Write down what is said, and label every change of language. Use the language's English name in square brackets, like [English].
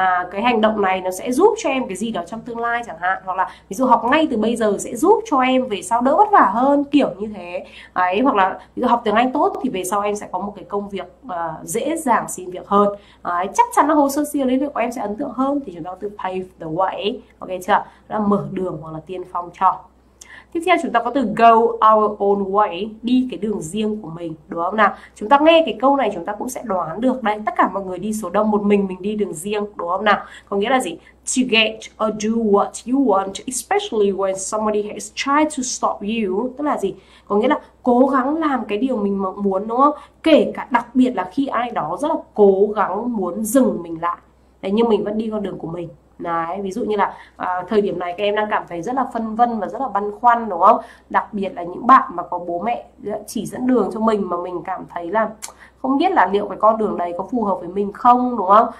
[Vietnamese] cái hành động này nó sẽ giúp cho em cái gì đó trong tương lai chẳng hạn, hoặc là ví dụ học ngay từ bây giờ sẽ giúp cho em về sau đỡ vất vả hơn kiểu như thế ấy, hoặc là ví dụ học tiếng Anh tốt thì về sau em sẽ có một cái công việc dễ dàng xin việc hơn đấy, chắc chắn là hồ sơ CV lý lịch của em sẽ ấn tượng hơn, thì chúng ta từ pave the way, ok chưa, là mở đường hoặc là tiên phong cho. Tiếp theo chúng ta có từ go our own way, đi cái đường riêng của mình đúng không nào. Chúng ta nghe cái câu này chúng ta cũng sẽ đoán được đây, tất cả mọi người đi số đông, một mình đi đường riêng đúng không nào, có nghĩa là gì? [English] To get or do what you want, especially when somebody has tried to stop you, [Vietnamese] tức là gì? Có nghĩa là cố gắng làm cái điều mình muốn đúng không, kể cả đặc biệt là khi ai đó rất là cố gắng muốn dừng mình lại đấy, nhưng mình vẫn đi con đường của mình. Đấy, ví dụ như là thời điểm này các em đang cảm thấy rất là phân vân và rất là băn khoăn đúng không? Đặc biệt là những bạn mà có bố mẹ chỉ dẫn đường cho mình mà mình cảm thấy là không biết là liệu cái con đường đấy có phù hợp với mình không đúng không?